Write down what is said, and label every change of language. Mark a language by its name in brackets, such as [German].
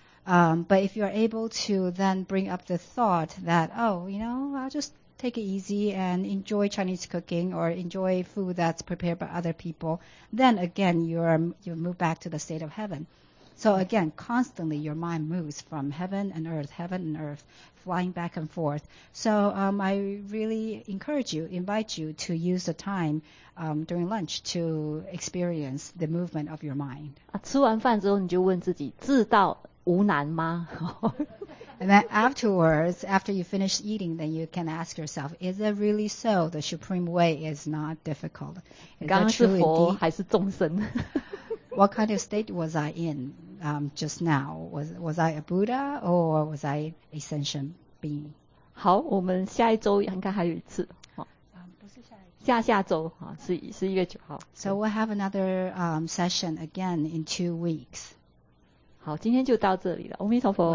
[English] But if you're able to then bring up the thought that, oh, you know, I'll just take it easy and enjoy Chinese cooking or enjoy food that's prepared by other people, then again, you move back to the state of heaven. So again, constantly your mind moves from heaven and earth, flying back and forth. So I really encourage you, invite you to use the time during lunch to experience the movement of your mind. [Chinese] 吃完饭之后你就问自己，自道无难吗？ [English] And then afterwards, after you finish eating, then you can ask yourself, is it really so? The supreme way is not difficult. Is [Chinese] 刚刚是佛还是众生? [English] What kind of state was I in just now? Was I a Buddha or was I a sentient being? [Chinese] 好,我们下一周应该还有一次。下下周11月9号。 [English] So we'll have another session again in 2 weeks. [Chinese] 好，今天就到这里了。阿弥陀佛。